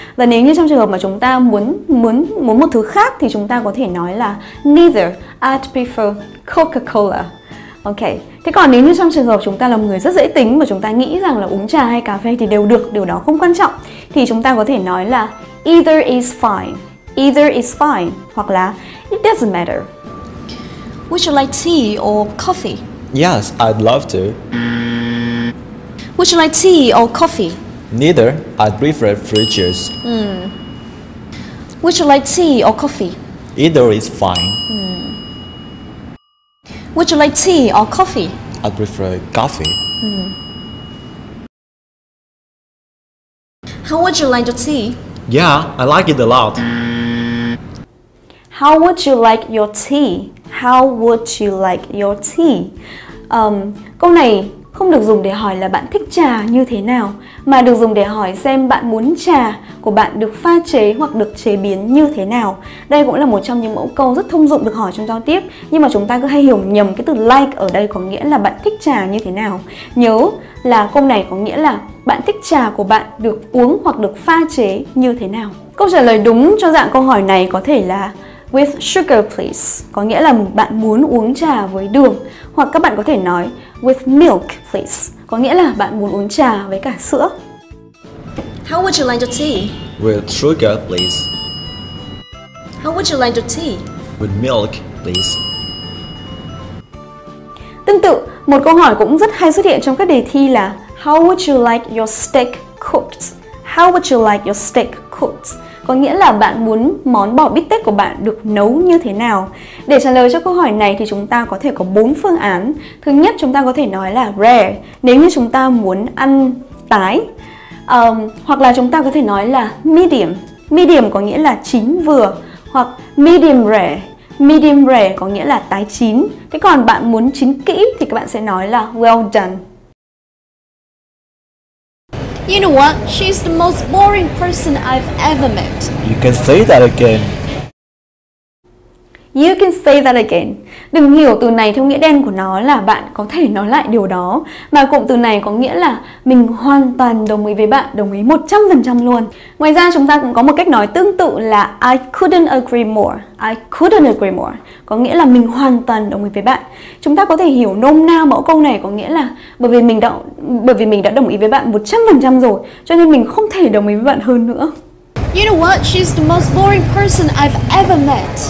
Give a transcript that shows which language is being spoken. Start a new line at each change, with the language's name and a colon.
Vietnamese: Và nếu như trong trường hợp mà chúng ta muốn một thứ khác thì chúng ta có thể nói là
English: neither I'd prefer Coca-Cola.
Vietnamese: Ok, thế còn nếu như trong trường hợp chúng ta là một người rất dễ tính mà chúng ta nghĩ rằng là uống trà hay cà phê thì đều được, điều đó không quan trọng, thì chúng ta có thể nói là
English: either is fine, either is fine,
Vietnamese: hoặc là
English: it doesn't matter. Would you like tea or coffee? Yes, I'd love to. Would you like tea or coffee? Neither, I'd prefer fruit juice. Would you like tea or coffee? Either is fine. Would you like tea or coffee? I'd prefer coffee. How would you like your tea? Yeah, I like it a lot. How would you like your tea? How would you like your tea?
Vietnamese: Câu này không được dùng để hỏi là bạn thích trà như thế nào, mà được dùng để hỏi xem bạn muốn trà của bạn được pha chế hoặc được chế biến như thế nào. Đây cũng là một trong những mẫu câu rất thông dụng được hỏi trong giao tiếp, nhưng mà chúng ta cứ hay hiểu nhầm cái từ like ở đây có nghĩa là bạn thích trà như thế nào. Nhớ là câu này có nghĩa là bạn thích trà của bạn được uống hoặc được pha chế như thế nào. Câu trả lời đúng cho dạng câu hỏi này có thể là
English: with sugar please,
Vietnamese: có nghĩa là bạn muốn uống trà với đường. Hoặc các bạn có thể nói
English: with milk please,
Vietnamese: có nghĩa là bạn muốn uống trà với cả sữa.
English: How would you like your tea? With sugar please. How would you like your tea? With milk please.
Vietnamese: Tương tự, một câu hỏi cũng rất hay xuất hiện trong các đề thi là
English: how would you like your steak cooked? How would you like your steak cooked?
Vietnamese: Có nghĩa là bạn muốn món bò bít tết của bạn được nấu như thế nào? Để trả lời cho câu hỏi này thì chúng ta có thể có 4 phương án. Thứ nhất, chúng ta có thể nói là rare, nếu như chúng ta muốn ăn tái. Hoặc là chúng ta có thể nói là medium. Medium có nghĩa là chín vừa. Hoặc medium rare. Medium rare có nghĩa là tái chín. Thế còn bạn muốn chín kỹ thì các bạn sẽ nói là well done.
English: You know what? She's the most boring person I've ever met. You can say that again. You can say that again.
Vietnamese: Đừng hiểu từ này theo nghĩa đen của nó là bạn có thể nói lại điều đó, mà cụm từ này có nghĩa là mình hoàn toàn đồng ý với bạn, đồng ý 100% luôn. Ngoài ra chúng ta cũng có một cách nói tương tự là
English: I couldn't agree more. I couldn't agree more
Vietnamese: có nghĩa là mình hoàn toàn đồng ý với bạn. Chúng ta có thể hiểu nôm na mẫu câu này có nghĩa là bởi vì mình đã đồng ý với bạn 100% rồi, cho nên mình không thể đồng ý với bạn hơn nữa.
English: You know what? She's the most boring person I've ever met.